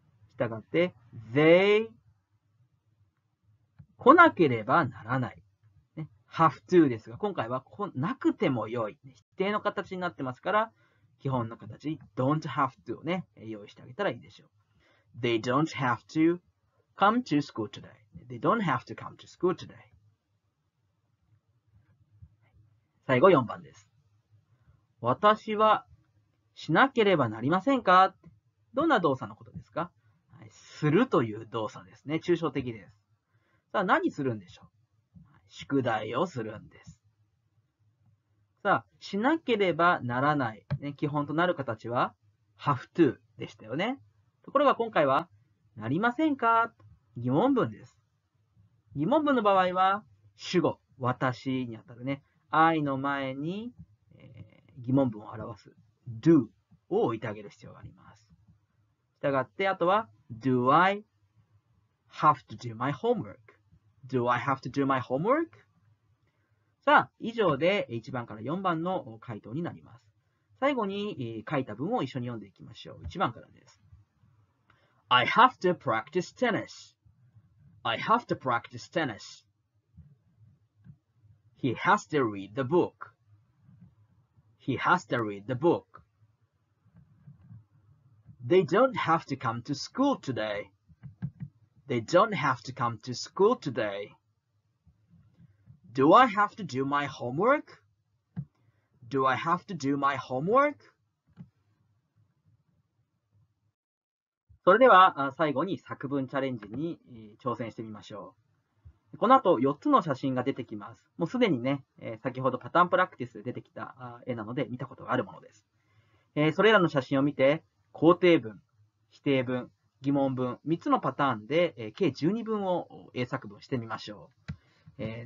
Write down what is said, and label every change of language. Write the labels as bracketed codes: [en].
[ja] したがって、they 来なければならない。ね、have to ですが、今回はなくてもよい。否定の形になってますから、基本の形、don't have to をね、用意してあげたらいいでしょう。 [en] they don't have to come to school today. they don't have to come to school today. [ja] 最後4番です。私はしなければなりませんか？どんな動作のことですか？するという動作ですね。抽象的です。さあ、何するんでしょう？宿題をするんです。さあ、しなければならない、ね、基本となる形は、have to でしたよね。ところが今回は、なりませんか？疑問文です。疑問文の場合は、主語、私にあたるね、I の前に、疑問文を表す、do を置いてあげる必要があります。したがって、あとは、 [en] Do I have to do my homework? Do I have to do my homework? [ja] さあ、以上で1番から4番の回答になります。最後に書いた文を一緒に読んでいきましょう。 1番からです。 [en] I have to practice tennis. I have to practice tennis. He has to read the book. He has to read the book. They don't have to come to school today. They don't have to come to school today. Do I have to do my homework? Do I have to do my homework? [ja] それでは最後に作文チャレンジに挑戦してみましょう。この後4つの写真が出てきます。もうすでにね、先ほどパターンプラクティスで出てきた絵なので見たことがあるものです。それらの写真を見て、肯定文、否定文、疑問文、3つのパターンで、計12文を英作文してみましょう。